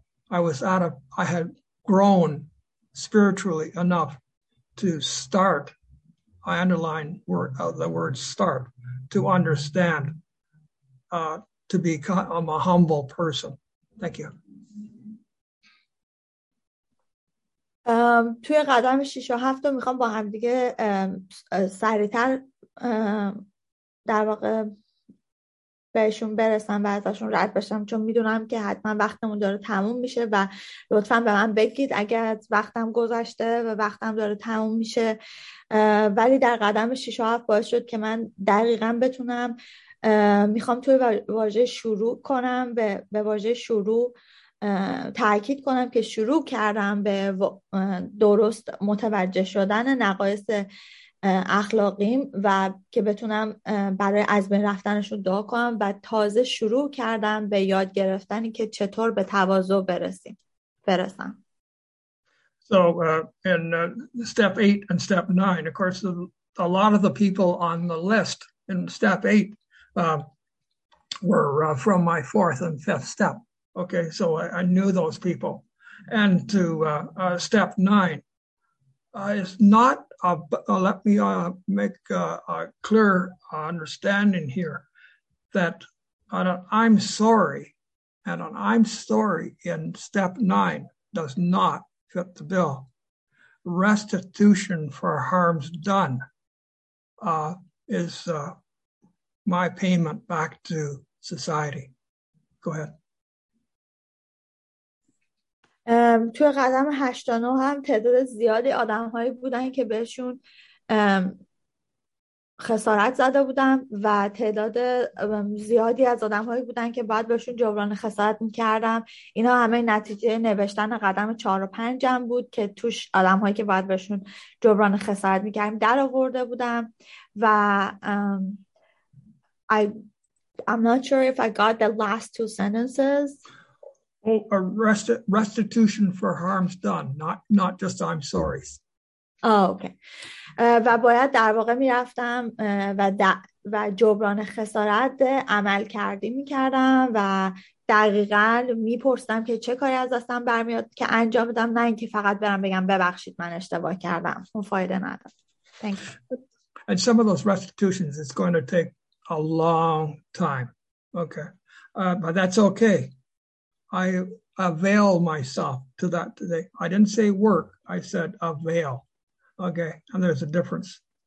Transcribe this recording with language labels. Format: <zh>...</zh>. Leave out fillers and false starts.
<en>I had grown spiritually enough to start, I underline the word start, to understand, to become, I'm a humble person. Thank you.</en> <fa>توی قدم 6 و 7 میخوام با هم دیگه سریعتر در واقع بهشون برسم و ازشون رد بشم، چون میدونم که حتما وقتمون داره تموم میشه و لطفا به من بگید اگر وقتم گذشته و وقتم داره تموم میشه. ولی در قدم 6 و 7 باعث شد که من دقیقا بتونم، میخوام توی واژه شروع کنم، به واژه شروع تأکید کنم که شروع کردم به درست متوجه شدن نقایص اخلاقیم و که بتونم برای از بین رفتنش رو دعا کنم و تازه شروع کردم به یاد گرفتنی که چطور به تواضع برسم.</fa> <en>So in step 8 and step 9, of course a lot of the people on the list in step 8 were from my fourth and fifth step. Okay, so I knew those people. And to step 9, it's not, let me make a clear understanding here that on an I'm sorry and an I'm sorry in step 9 does not fit the bill. Restitution for harms done is my payment back to society. Go ahead.</en> <fa>توی قدم 8 تا 9 هم تعداد زیادی آدم هایی بودن که بهشون خسارت زده بودم و تعداد زیادی از آدم هایی بودن که بعد بهشون جبران خسارت میکردم. اینا همه نتیجه نوشتن قدم 4 و 5 هم بود که توش آدم هایی که بعد بهشون جبران خسارت میکردم در آورده بودم و</fa> <en>I'm not sure if I got the last two sentences. Oh, a restitution for harms done, not just I'm sorry. Oh, okay.</en> <fa>و باید در واقع می‌رفتم و جبران خسارت عمل کردی می‌کردم و دقیقاً می‌پرسیدم که چه کاری از دستم برمیاد که انجام بدم، نه اینکه فقط برم بگم ببخشید من اشتباه کردم، اون فایده ندارد.</fa> <en>Thank you. And some of those restitutions is going to take a long time. Okay. But that's okay. I avail myself to that today. I didn't say work. I said avail. Okay. And there's a difference.</en>